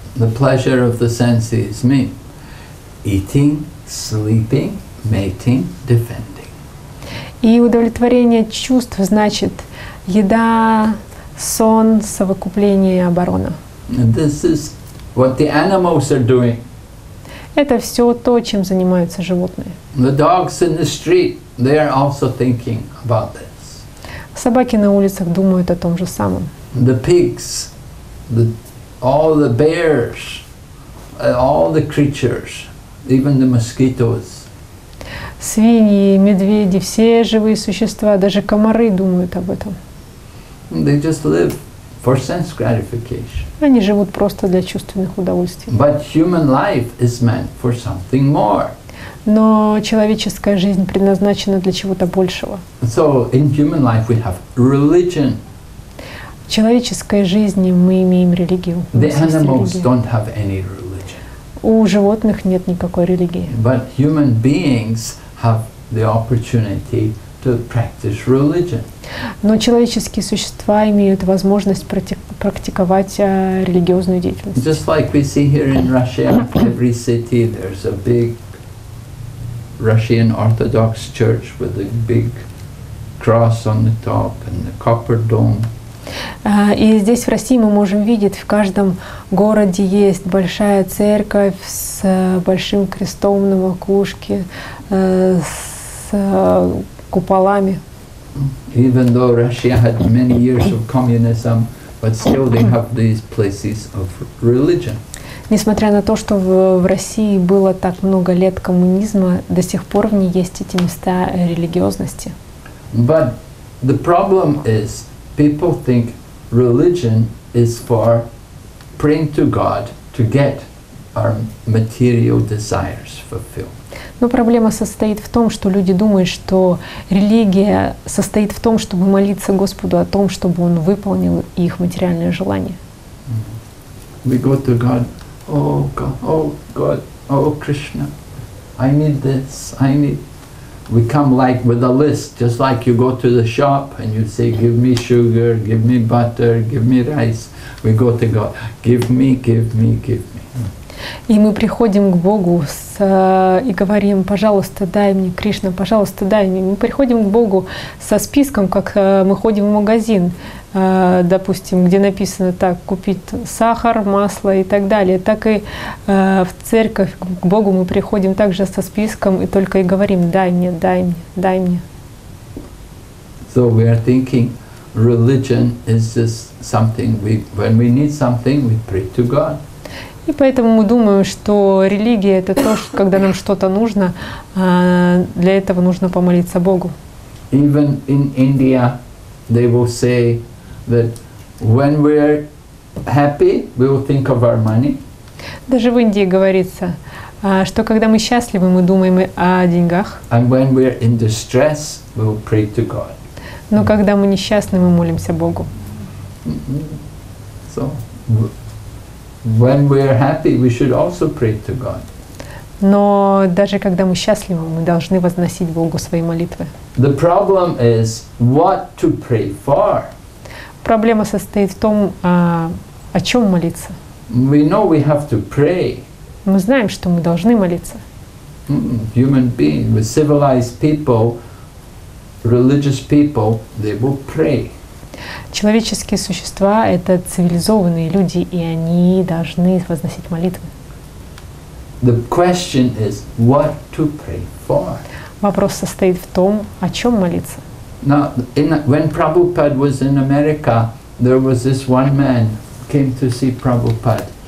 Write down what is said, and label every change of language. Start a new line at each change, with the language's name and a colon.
English: The pleasure of the senses mean eating, sleeping, mating, defending.
Russian: И удовлетворение чувств значит еда, сон, совокупление и оборона.
English: And this is what the animals are doing.
Russian: Это все то, чем занимаются животные.
English: The dogs in the street, they are also thinking about this.
Russian: Собаки на улицах думают о том же самом.
English: The pigs, all the bears, all the creatures, even the mosquitoes.
Russian: Свиньи, медведи, все живые существа, даже комары думают об этом.
English: They just live for sense gratification.
Russian: Они живут просто для чувственных удовольствий.
English: But human life is meant for something more.
Russian: Но человеческая жизнь предназначена для чего-то большего.
English: So in human life we have religion.
Russian: В человеческой жизни мы имеем религию.
English: The animals don't have any religion.
Russian: У животных нет никакой религии.
English: But human beings have the opportunity to practice religion.
Russian: Но человеческие существа имеют возможность практиковать религиозную деятельность.
English: Just like we see here in Russia, every city there's a big Russian Orthodox Church with a big cross on the top and the copper dome.
Russian: И здесь в России мы можем видеть, в каждом городе есть большая церковь с большим крестом на макушке, с куполами.
English: Even though Russia had many years of communism, but still they have these places of religion.
Russian: Несмотря на то, что в России было так много лет коммунизма, до сих пор в ней есть эти места религиозности.
English: But the problem is, people think religion is for praying to God to get our material desires fulfilled.
Russian: Но проблема состоит в том, что люди думают, что религия состоит в том, чтобы молиться Господу о том, чтобы Он выполнил их материальное желание.
English: We go to God, oh God, oh God, oh Krishna, I need this, I need. We come like with a list, just like you go to the shop and you say, give me sugar, give me butter, give me rice. We go to God, give me, give me, give me.
Russian: и мы приходим к Богу и говорим: «Пожалуйста, дай мне, Кришна, пожалуйста, дай мне». Мы приходим к Богу со списком, как мы ходим в магазин, допустим, где написано так: «Купить сахар, масло» и так далее. Так и в церковь к Богу мы приходим также со списком и только и говорим: «Дай мне, дай мне, дай мне».
English: So we are thinking, religion is just something we, when we need something, we pray to God.
Russian: И поэтому мы думаем, что религия это то, что, когда нам что-то нужно, для этого нужно помолиться Богу.
English: Even in India, they will say that when we are happy, we will think of our money.
Russian: Даже в Индии говорится, что когда мы счастливы, мы думаем о деньгах.
English: And when we are in distress, we will pray to God.
Russian: Но когда мы несчастны, мы молимся Богу.
English: So, when we are happy, we should also pray to God.
Russian: Но даже когда мы счастливы, мы должны возносить Богу свои молитвы.
English: The problem is what to pray for.
Russian: Проблема состоит в том, о чем молиться.
English: We know we have to pray.
Russian: Мы знаем, что мы должны молиться.
English: Human being, with civilized people. Religious people, they will pray.
Russian: Человеческие существа — это цивилизованные люди, и они должны возносить молитвы.
English: The question is, what to pray for?
Russian: Вопрос состоит в том, о чем молиться.
English: Now, when Prabhupada was in America, there was this one man came to see Prabhupada.